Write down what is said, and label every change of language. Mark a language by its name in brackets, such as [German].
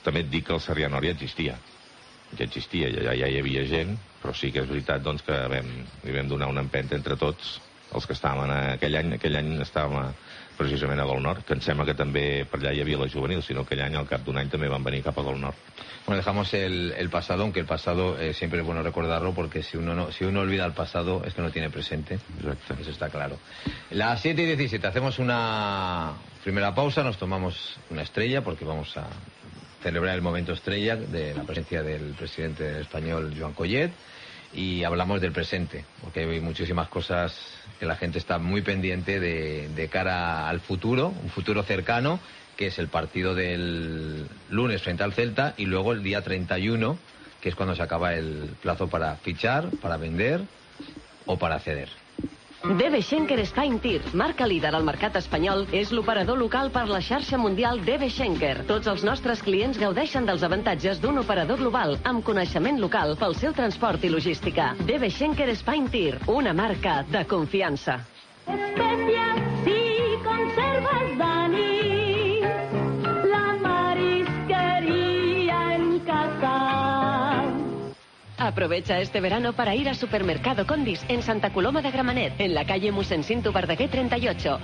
[Catalan] També et dic que el Sarrià-Nord ja existia, ja hi havia gent, però sí que és veritat, doncs, que li vam donar una empenta entre tots els que estàvem aquell any estàvem precisament a Gol Nord, que em sembla que també per allà hi havia la juvenil, sinó aquell any, al cap d'un any, també van venir cap a Gol Nord. [Spanish] Bueno, dejamos el pasado, aunque el pasado siempre es bueno recordarlo, porque si uno olvida el pasado es que no tiene presente. Exacto. Eso está claro. Las 7:17, hacemos una primera pausa, nos tomamos una estrella, porque vamos a celebrar el momento estrella de la presencia del presidente español, Joan Collet, y hablamos del presente, porque hay muchísimas cosas que la gente está muy pendiente de cara al futuro, un futuro cercano, que es el partido del lunes frente al Celta, y luego el día 31, que es cuando se acaba el plazo para fichar, para vender o para ceder. [Catalan] DB Schenker Steintir, marca líder al mercat espanyol, és l'operador local per la xarxa mundial DB Schenker. Tots els nostres clients gaudeixen dels avantatges d'un operador global amb coneixement local pel seu transport i logística. DB Schenker Steintir, una marca de confiança. [Spanish] Especias y conservas Dani, la marisquería en casa. Aprovecha este verano para ir a Supermercado Condis en Santa Coloma de Gramenet, en la calle Musensinto Verdaguer 38.